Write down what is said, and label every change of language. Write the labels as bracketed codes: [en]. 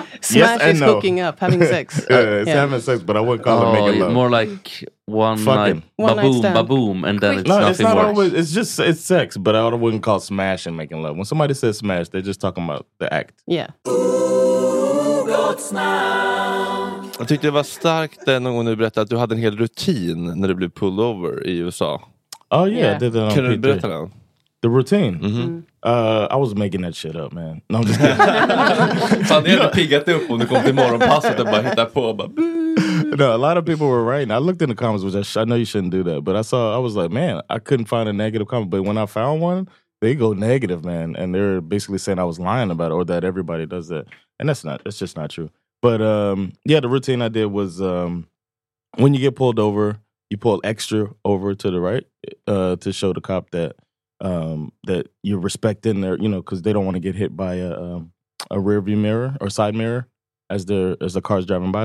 [en] Smash yes is no. Hooking up, having sex. Yeah. Having sex, but I wouldn't call it making love. More like one fucking night, ba-boom, ba-boom, and then it's nothing it's not worse. Always, it's sex, but I wouldn't call smash and making love. When somebody says smash, they're just talking about the act. Yeah. [sv] Jag tyckte det var starkt någon gång när du berättade att du hade en hel rutin när du blev [en] pulled over [sv] i USA. [en] Oh yeah, yeah. Did [sv] kan du berätta den? [en] The routine. Mm-hmm. I was making that shit up, man. No, I'm just kidding. [sv] Fan, det hade piggat upp om du kom till morgonpasset och bara hittar på. [en] No, a lot of people were writing. I looked in the comments, which I know you shouldn't do that. But I was like, man, I couldn't find a negative comment. But when I found one, they go negative, man. And they're basically saying I was lying about it or that everybody does that. And that's just not true. But yeah, the routine I did was when you get pulled over, you pull extra over to the right to show the cop that that you're respecting their, you know, because they don't want to get hit by a rear view mirror or side mirror as the car's driving by.